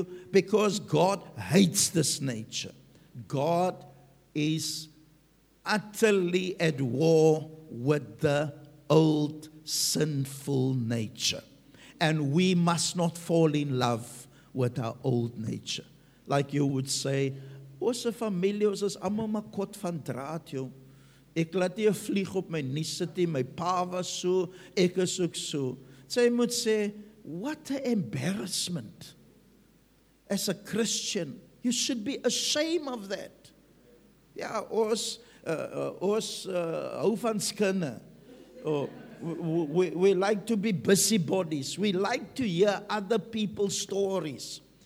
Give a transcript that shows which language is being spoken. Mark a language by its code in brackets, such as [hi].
[en] Because God hates this nature. God is utterly at war with the old sinful nature. And we must not fall in love with our old nature. Like you would say, [af] Ose familie, ons is allemaal maar kort van draad, joh. Ek laat die vlieg op my nie sit, my pa was so, ek is ook so. Sy moet sê, [en] what an embarrassment. As a Christian, you should be ashamed of that. [af] Ja, ons hou van skinne. [en] We like to be busybodies. We like to hear other people's stories.